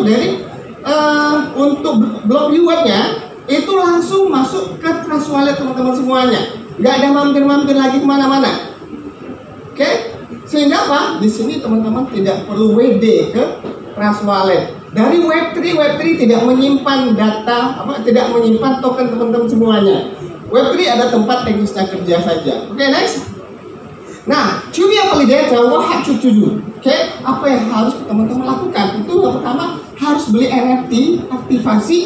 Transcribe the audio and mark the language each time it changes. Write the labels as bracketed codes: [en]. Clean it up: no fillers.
[id] Dari untuk block rewardnya itu langsung masuk ke trust wallet teman-teman semuanya, nggak ada mampir-mampir lagi kemana-mana. Oke, okay? Sehingga apa? Di sini teman-teman tidak perlu WD ke trust wallet. Dari Web3, Web3 tidak menyimpan data, apa, tidak menyimpan token teman-teman semuanya. Web3 ada tempat teknisnya kerja saja. Oke, okay, next. [en] Nah, to be a validator, what have you to do? Oke, okay? [id] Apa yang harus teman-teman lakukan? Itu yang pertama, harus beli NFT aktivasi.